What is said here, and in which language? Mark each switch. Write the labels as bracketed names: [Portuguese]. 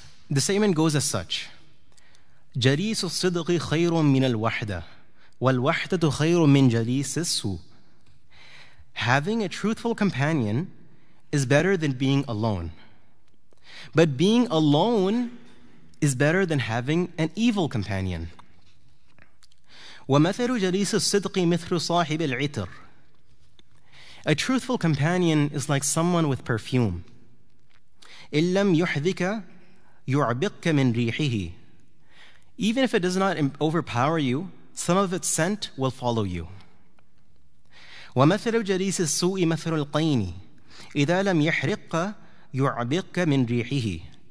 [English] The statement goes as such: [Arabic] جريس الصدق خير من الوحدة والوحدة خير من جليس السوء. [English] Having a truthful companion is better than being alone, but being alone is better than having an evil companion. [Arabic] ومثل جليس الصدق مثل صاحب العطر. [English] A truthful companion is like someone with perfume. [Arabic] إن لم يحذك يعبقك من ريحه. [English] Even if it does not overpower you, some of its scent will follow you. [Arabic] وَمَثَلُ جَلِيسِ السُّوءِ مَثَلُ الْقَيْنِ إِذَا لَمْ يَحْرِقَّ يُعْبِقَّ مِنْ رِيحِهِ.